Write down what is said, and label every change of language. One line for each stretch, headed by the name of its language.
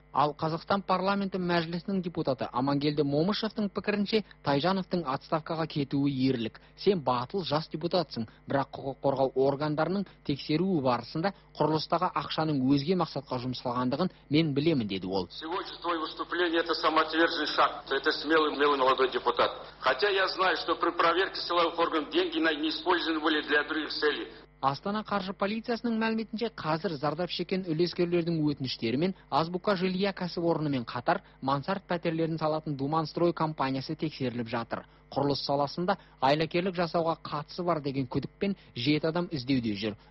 Kazakh: Ал Қазақстан парламенті мәжілісінің депутаты Амангелді Момышевтың пікірінше, Тайжановтың отставкаға кетуі ерлік. Сен батыл жас депутатсың, бірақ құқық қорғау органдарының тексеруі барысында құрылыстағы ақшаның өзге мақсатқа жұмсалғандығын мен білемін деді ол.
Russian: Сегодня твое выступление это самоотверженный шаг. Это смелый молодой депутат. Хотя я знаю, что при проверке силовых органов деньги не использованы были для других целей.
Kazakh: Астана қаржы полициясының мәліметінше қазір зардап шеккен үлескерлердің өтініштері мен Азбука жилья кәсіпорнымен қатар мансарт пәтерлерін салатын Думан строй компаниясы тексеріліп жатыр. Құрылыс саласында айлакерлік жасауға қатысы бар деген күдікпен 7 адам іздеуде жүр.